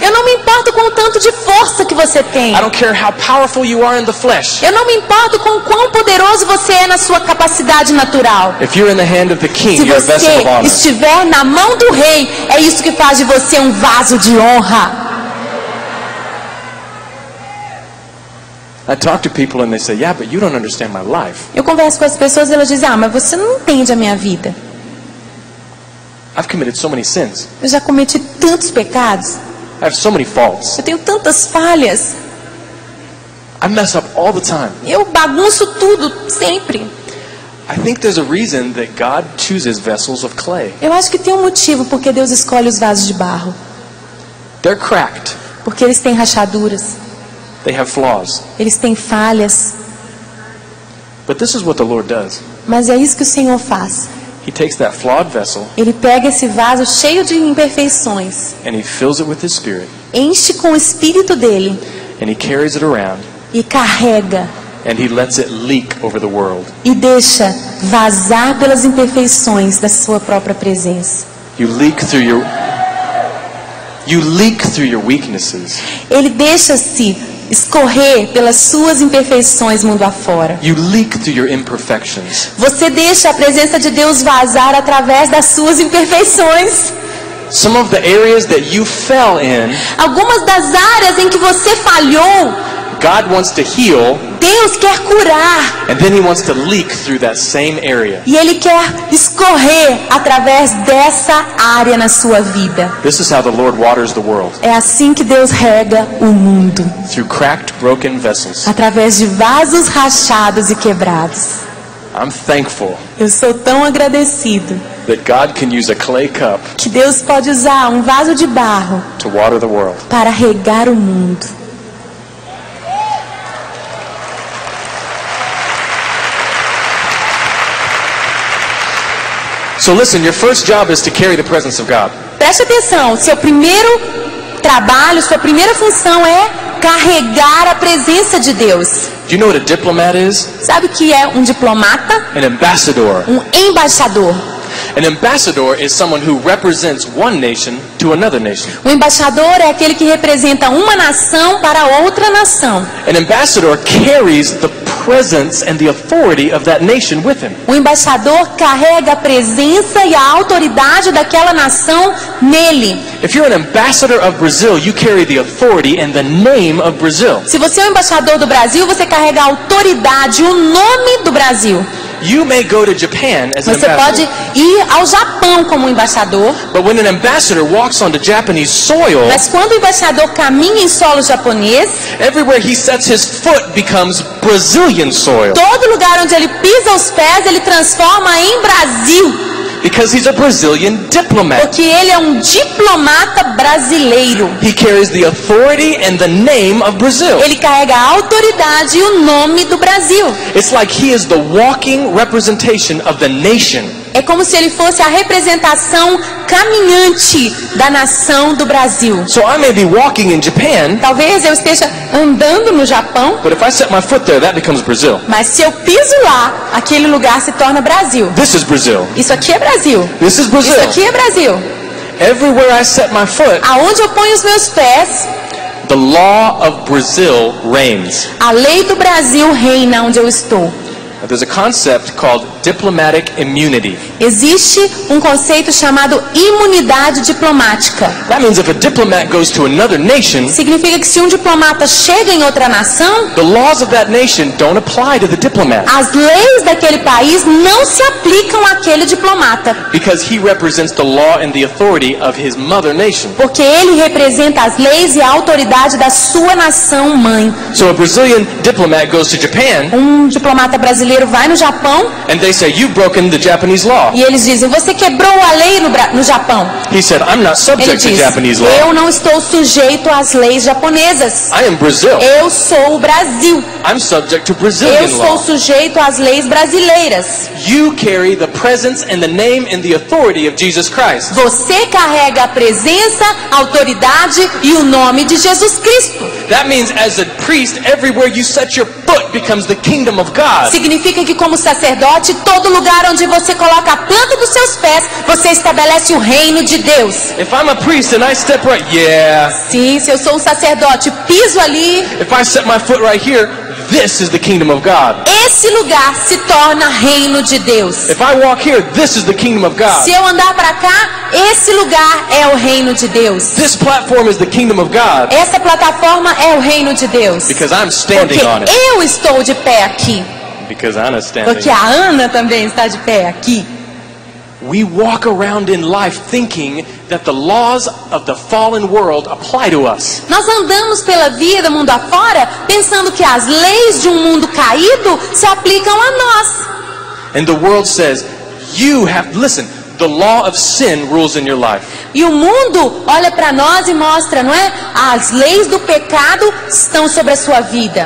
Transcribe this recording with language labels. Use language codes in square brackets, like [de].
[pt] Eu não me importo com tanto de força que você tem. [en] I don't care how powerful you are in the flesh. [pt] Eu não me importo com quão poderoso você é na sua capacidade natural. [en] If you're in the hand of the king, you're a vessel of honor. [pt] Se você estiver na mão do rei, é isso que faz de você um vaso de honra. [en] I talk to people and they say, "Yeah, but you don't understand my life." [pt] Eu converso com as pessoas e elas dizem, mas você não entende a minha vida. [en] I've committed so many sins. [pt] Eu já cometi tantos pecados. [en] I have so many faults. [pt] Eu tenho tantas falhas. [en] I mess up all the time. [pt] Eu bagunço tudo sempre. [en] I think there's a reason that God chooses vessels of clay. [pt] Eu acho que tem um motivo porque Deus escolhe os vasos de barro. [en] They're cracked. [pt] Porque eles têm rachaduras. [en] They have flaws. [pt] Eles têm falhas. [en] But this is what the Lord does. [pt] Mas é isso que o Senhor faz. [en] He takes that flawed vessel. [pt] Ele pega esse vaso cheio de imperfeições. [en] And he fills it with his spirit. [pt] Enche com o espírito dele. [en] And he carries it around. [pt] E carrega. [en] And he lets it leak over the world. [pt] E deixa vazar pelas imperfeições da sua própria presença. [en] You leak through your weaknesses. [pt] Ele deixa-se escorrer pelas suas imperfeições mundo afora. [en] You leak through your imperfections. [pt] Você deixa a presença de Deus vazar através das suas imperfeições. [en] Some of the areas that you fell in, [pt] algumas das áreas em que você falhou, [en] God wants to heal, [pt] Deus quer curar. [en] And then he wants to leak through that same area. [pt] E ele quer escorrer através dessa área na sua vida. [en] This is how the Lord waters the world. [pt] É assim que Deus rega o mundo. [en] Through cracked, broken vessels. [pt] Através de vasos rachados e quebrados. [en] I'm thankful. [pt] Eu sou tão agradecido. [en] That God can use a clay cup. [pt] Que Deus pode usar um vaso de barro. [en] To water the world. [pt] Para regar o mundo. [en] So listen, your first job is to carry the presence of God. [pt] Preste atenção, seu primeiro trabalho, sua primeira função é carregar a presença de Deus. [en] Do you know what a diplomat is? [pt] Sabe o que é um diplomata? [en] An ambassador. [pt] Um embaixador. [en] An ambassador is someone who represents one nation to another nation. [pt] O embaixador é aquele que representa uma nação para outra nação. [en] An ambassador carries the presence and the authority of that nation with him. [pt] O embaixador carrega a presença e a autoridade daquela nação nele. [en] If you're an ambassador of Brazil, you carry the authority and the name of Brazil. [pt] Se você é um embaixador do Brasil, você carrega a autoridade, o nome do Brasil. [en] You may go to Japan as an ambassador. [pt] Você pode ir ao Japão como embaixador. [en] But when an ambassador walks onto Japanese soil, [pt] mas quando o embaixador caminha em solo japonês, [en] everywhere he sets his foot becomes Brazilian soil. [pt] Todo lugar onde ele pisa os pés, ele transforma em Brasil. [en] Because he's a Brazilian diplomat. [pt] Porque ele é um diplomata brasileiro. [en] He carries the authority and the name of Brazil. [pt] Ele carrega a autoridade e o nome do Brasil. [en] It's like he is the walking representation of the nation. [pt] É como se ele fosse a representação caminhante da nação do Brasil. [en] So I may be walking in Japan, [pt] talvez eu esteja andando no Japão. [en] But if I set my foot there, that becomes Brazil. [pt] Mas se eu piso lá, aquele lugar se torna Brasil. [en] This is Brazil. [pt] Isso aqui é Brasil. [en] This is Brazil. [pt] Isso aqui é Brasil. [en] Everywhere I set my foot, [pt] aonde eu ponho os meus pés, [en] the law of Brazil reigns. [pt] A lei do Brasil reina onde eu estou. [en] There's a concept called diplomatic immunity. [pt] Existe um conceito chamado imunidade diplomática. [en] That means if a diplomat goes to another nation, [pt] significa que se um diplomata chega em outra nação, [en] the laws of that nation don't apply to the diplomat. [pt] As leis daquele país não se aplicam àquele diplomata. [en] Because he represents the law and the authority of his mother nation. [pt] Porque ele representa as leis e a autoridade da sua nação mãe. [en] So a Brazilian diplomat goes to Japan, [pt] um diplomata brasileiro vai no Japão. [en] And they say, you've broken the Japanese law. [pt] E eles dizem, você quebrou a lei no Japão. [en] He said, I'm not subject [pt] diz, [en] to Japanese law. [pt] Eu não estou sujeito às leis japonesas. [en] I am Brazil. [pt] Eu sou o Brasil. [en] I'm subject to Brazilian law. [pt] Eu sou sujeito às leis brasileiras. [en] You carry the presence and the name and the authority of Jesus Christ. [pt] Você carrega a presença, a autoridade e o nome de Jesus Cristo. [en] That means as a priest, everywhere you set your foot becomes the kingdom of God. [pt] Significa que como sacerdote, todo lugar onde você coloca a planta dos seus pés, você estabelece o reino de Deus. [en] If I'm a priest and I step right, yeah. [pt] Sim, se eu sou um sacerdote, piso ali. [en] If I set my foot right here, this is the kingdom of God. [pt] Esse lugar se torna reino de Deus. [en] If I walk here, this is the kingdom of God. [pt] Se eu andar para cá, esse lugar é o reino de Deus. [en] This platform is the kingdom of God. [pt] Essa plataforma é o reino de Deus. [en] Because I'm standing [pt] Porque [en] on it. [pt] Eu estou de pé aqui. [en] Because Anna's standing. [pt] Porque a Ana também está de pé aqui. [en] We walk around in life thinking that the laws of the fallen world apply to us. [pt] Nós andamos pela vida mundo afora pensando que as leis de um mundo caído se aplicam a nós. [en] And the world says, you have listen, the law of sin rules in your life. [pt] E o mundo olha para nós e mostra, não é? As leis do pecado estão sobre a sua vida.